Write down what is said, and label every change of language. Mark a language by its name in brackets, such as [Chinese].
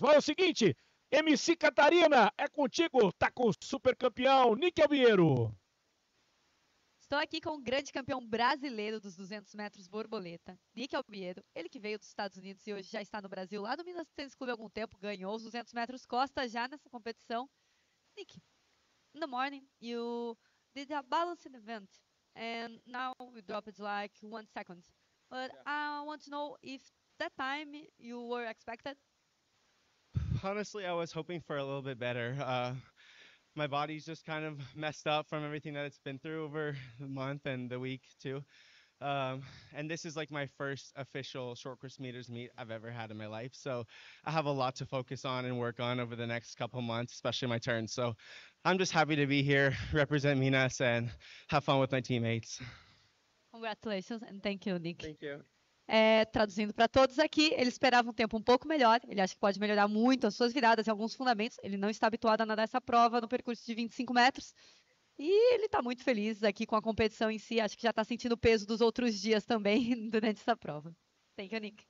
[Portuguese] Mas é o seguinte, MC Catarina, é contigo, tá com o super campeão, Nick Albiero. Estou aqui com o grande campeão brasileiro dos 200 metros borboleta, Nick Albiero, ele que veio dos Estados Unidos e hoje já está no Brasil, lá no Minas Tênis Clube há algum tempo, ganhou os 200 metros costa já nessa competição. [English] Nick, in the morning, you did a balancing event, and now we dropped like 1 second. But yeah. I want to know if that time you were expected. Honestly, I was hoping for a little bit better. My body's just kind of messed up from everything that it's been through over the month and the week, too. And this is like my first official short course meters meet I've ever had in my life. So I have a lot to focus on and work on over the next couple months, especially my turn. So I'm just happy to be here, represent Minas, and have fun with my teammates. Congratulations and thank you, Nick. Thank you. [Portuguese] É, traduzindo para todos aqui, ele esperava um tempo um pouco melhor, ele acha que pode melhorar muito as suas viradas e alguns fundamentos, ele não está habituado a nadar essa prova no percurso de 25 metros, e ele está muito feliz aqui com a competição em si, acho que já está sentindo o peso dos outros dias também durante essa prova. [English] Thank you, Nick.